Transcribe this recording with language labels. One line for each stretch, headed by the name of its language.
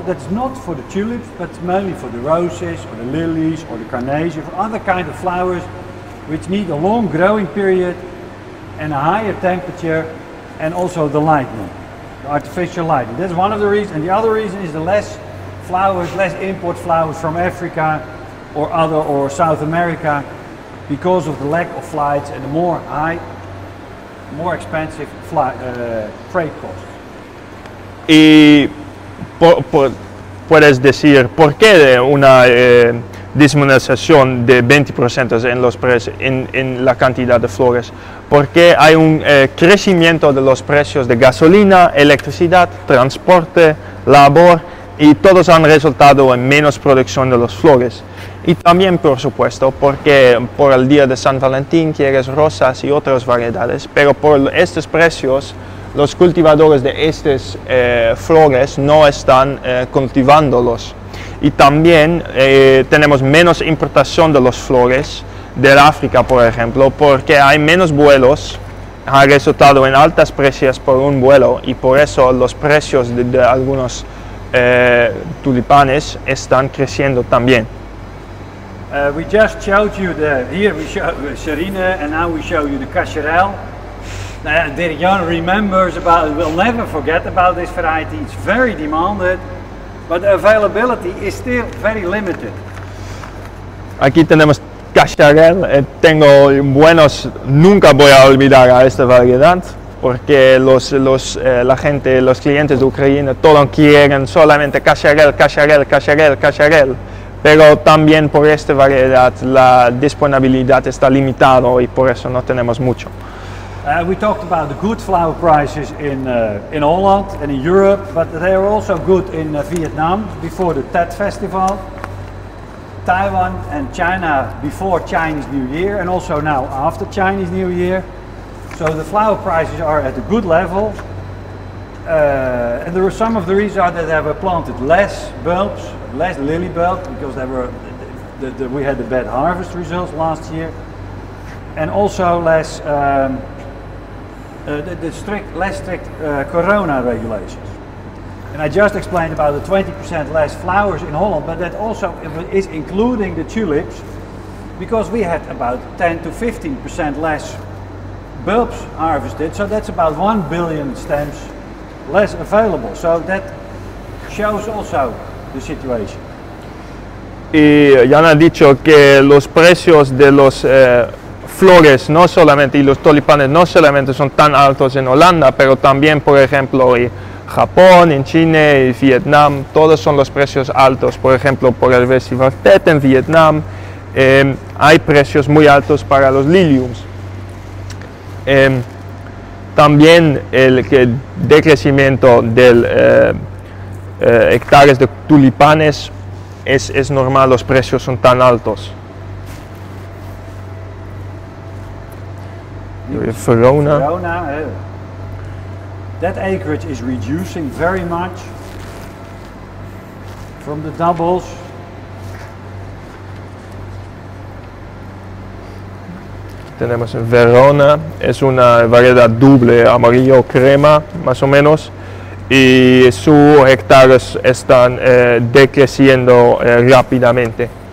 English: That's not for the tulips, but mainly for the roses, or the lilies, or the carnation, or other kind of flowers, which need a long growing period and a higher temperature, and also the lightning, the artificial lightning. That's one of the reasons. And the other reason is the less flowers, less import flowers from Africa or other or South America, because of the lack of flights and the more high, more expensive freight costs.
Spanish: Y puedes decir por qué una disminución de 20% en los precios en la cantidad de flores, porque hay un crecimiento de los precios de gasolina, electricidad, transporte, labor. Y todos han resultado en menos producción de los flores. Y también, por supuesto, porque por el día de San Valentín quieres rosas y otras variedades. Pero por estos precios, los cultivadores de estas flores no están cultivándolos. Y también tenemos menos importación de los flores del África, por ejemplo, porque hay menos vuelos. Ha resultado en altas precios por un vuelo y por eso los precios de algunos tulipanes están creciendo también.
English: We just showed you the here we show Serine and now we show you the Cacherel. Dirk-Jan remembers about will never forget about this variety. It's very demanded, but the availability is still very limited.
Spanish: Aquí tenemos Cacherel. Tengo buenos. Nunca voy a olvidar a esta variedad. Porque la gente, los clientes de Ucrania, todos quieren solamente Cacherel, Cacherel, Cacherel, Cacherel. Pero también por esta variedad, la disponibilidad está limitada y por eso no tenemos mucho.
English: We talked about the good flower prices in Holland and in Europe, but they are also good in Vietnam before the Tet Festival, Taiwan and China before Chinese New Year, and also now after Chinese New Year. So the flower prices are at a good level, and there are some of the reasons are that they were planted less bulbs, less lily bulbs, because they were we had the bad harvest results last year, and also less less strict corona regulations. And I just explained about the 20% less flowers in Holland, but that also is including the tulips, because we had about 10 to 15% less bulbs harvested, so that's about 1 billion stems less available. So that shows also the situation.
Spanish: Y ya han dicho que los precios de los flores, no solamente y los tulipanes, no solamente son tan altos en Holanda, pero también, por ejemplo, en Japón, en China, en Vietnam, todos son los precios altos. Por ejemplo, por el Festival Tet en Vietnam, hay precios muy altos para los liliums. También el decrecimiento del hectáreas de tulipanes es normal, los precios son tan altos. Verona.
English: That acreage is reducing very much from the doubles.
Spanish: Tenemos en Verona, es una variedad doble, amarillo crema, más o menos, y sus hectáreas están decreciendo rápidamente.